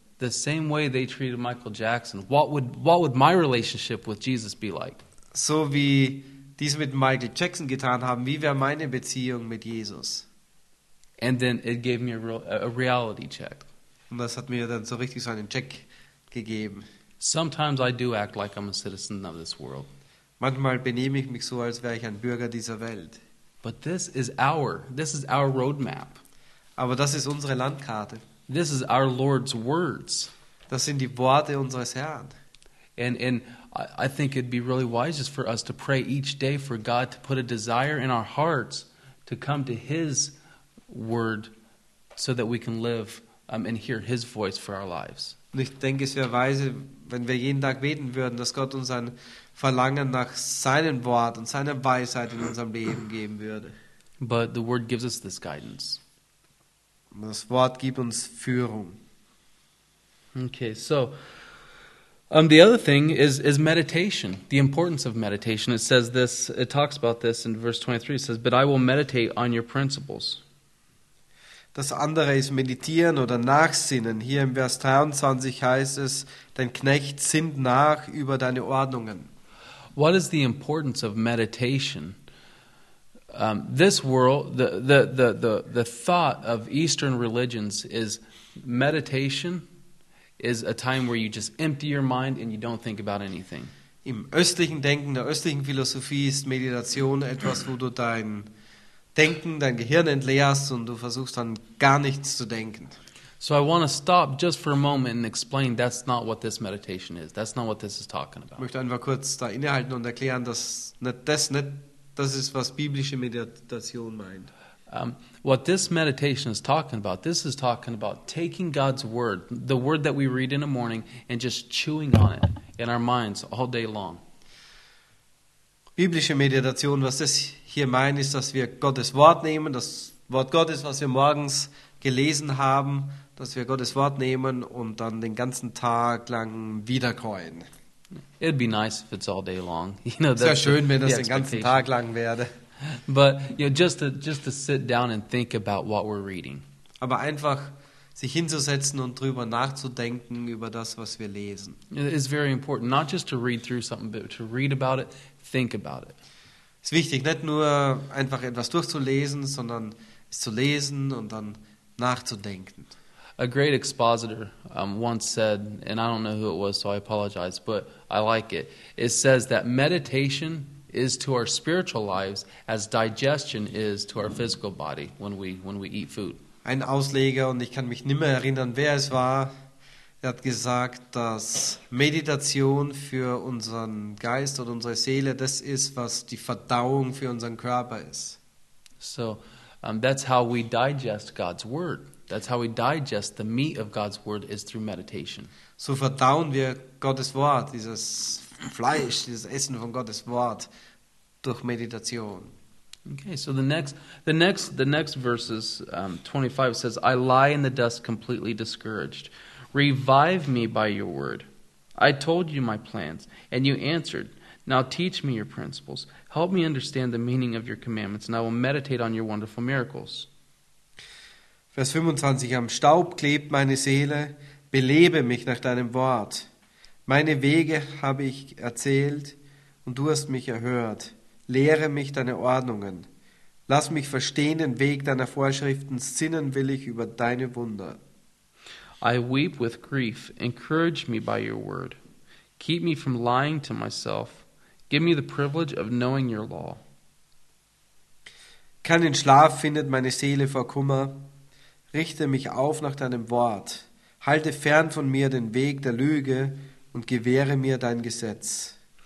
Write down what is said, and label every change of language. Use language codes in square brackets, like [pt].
[en] The same way they treated Michael Jackson. What would my relationship with Jesus be like? [de] So wie die es mit Michael Jackson getan haben, wie wäre meine Beziehung mit Jesus? [en] And then it gave me a reality check. [de] Und das hat mir dann so richtig so einen Check gegeben. [en] Sometimes I do act like I'm a citizen of this world. [de] Manchmal benehme ich mich so, als wäre ich ein Bürger dieser Welt. [en] But this is our roadmap. [de] Aber das ist unsere Landkarte. [en] This is our Lord's words. [de] Das sind die Worte unseres Herrn. [en] And I think it'd be really wise just for us to pray each day for God to put a desire in our hearts to come to His word, so that we can live and hear His voice for our lives. [de] Und ich denke, es wäre weise, wenn wir jeden Tag beten würden, dass Gott uns ein Verlangen nach seinem Wort und seiner Weisheit in unserem Leben geben würde. [en] But the word gives us this guidance. [de] Das Wort gibt uns Führung. [en] Okay, so the other thing is meditation, the importance of meditation. It says this, it talks about this in verse 23, it says, but I will meditate on your principles. [de] Das andere ist Meditieren oder Nachsinnen. Hier im Vers 23 heißt es, dein Knecht sinnt nach über deine Ordnungen. [en] What is the importance of meditation? This world, the thought of Eastern religions is meditation is a time where you just empty your mind and you don't think about anything. [de] Im östlichen Denken, der östlichen Philosophie ist Meditation etwas, wo du dein Denken, dein Gehirn entleerst und du versuchst dann gar nichts zu denken. [en] So I want to stop just for a moment and explain that's not what this meditation is. That's not what this is talking about. [de] Ich möchte einfach kurz da innehalten und erklären, dass das ist, was biblische Meditation meint. [en] What this meditation is talking about, this is talking about taking God's word, the word that we read in the morning, and just chewing on it in our minds all day long. [de] Biblische Meditation, was das hier meint, ist, dass wir Gottes Wort nehmen, das Wort Gottes, was wir morgens gelesen haben, dass wir Gottes Wort nehmen und dann den ganzen Tag lang wiederkäuen. [en] It'd be nice if it's all day long. You know, that's, [de] es wäre schön, wenn das den ganzen Tag lang werde. [en] But you know, just to sit down and think about what we're reading. [de] Aber einfach sich hinzusetzen und drüber nachzudenken über das, was wir lesen. [en] It's very important, not just to read through something, but to read about it, think about it. [de] Es ist wichtig, nicht nur einfach etwas durchzulesen, sondern es zu lesen und dann nachzudenken. [en] A great expositor once said, and I don't know who it was, so I apologize, but I like it. It says that meditation is to our spiritual lives as digestion is to our physical body when we eat food. [de] Ein Ausleger, und ich kann mich nimmer erinnern, wer es war, Er hat gesagt, dass Meditation für unseren Geist oder unsere Seele das ist, was die Verdauung für unseren Körper ist. [en] So, that's how we digest God's word. That's how we digest the meat of God's word is through meditation. [de] So verdauen wir Gottes Wort, dieses Fleisch, dieses Essen von Gottes Wort durch Meditation. [en] Okay, so the next verses 25 says, I lie in the dust completely discouraged. Revive me by your word. I told you my plans, and you answered. Now teach me your principles. Help me understand the meaning of your commandments, and I will meditate on your wonderful miracles. [de] Vers 25, am Staub klebt meine Seele, belebe mich nach deinem Wort. Meine Wege habe ich erzählt, und du hast mich erhört. Lehre mich deine Ordnungen. Lass mich verstehen den Weg deiner Vorschriften, sinnen will ich über deine Wunder. [en] I weep with grief. Encourage me by your word. Keep me from lying to myself. Give me the privilege of knowing your law. [de] Keinen Schlaf findet meine Seele vor Kummer. Richte mich auf nach deinem Wort. Halte fern von mir den Weg der Lüge und gewähre mir dein Gesetz.